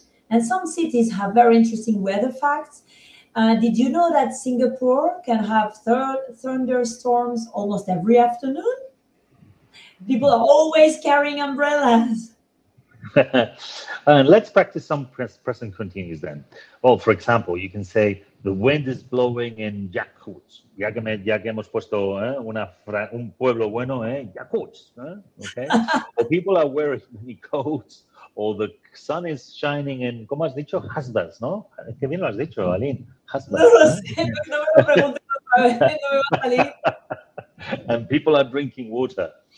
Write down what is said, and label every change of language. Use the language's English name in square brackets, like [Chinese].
[English] And some cities have very interesting weather facts. Did you know that Singapore can have thunderstorms almost every afternoon? People are always carrying umbrellas. Let's practice some present continuous then. Well, for example, you can say, the wind is blowing in Yakutsk. [Spanish] Ya que hemos puesto un pueblo bueno, Yakutsk. [English] Okay. Or people are wearing many coats, or the sun is shining in, [Spanish] ¿cómo has dicho? Hasbas, ¿no? Qué bien lo has dicho, Aline. Hasbas. No lo sé, no me lo pregunté, no me va a salir. [English] And people are drinking water.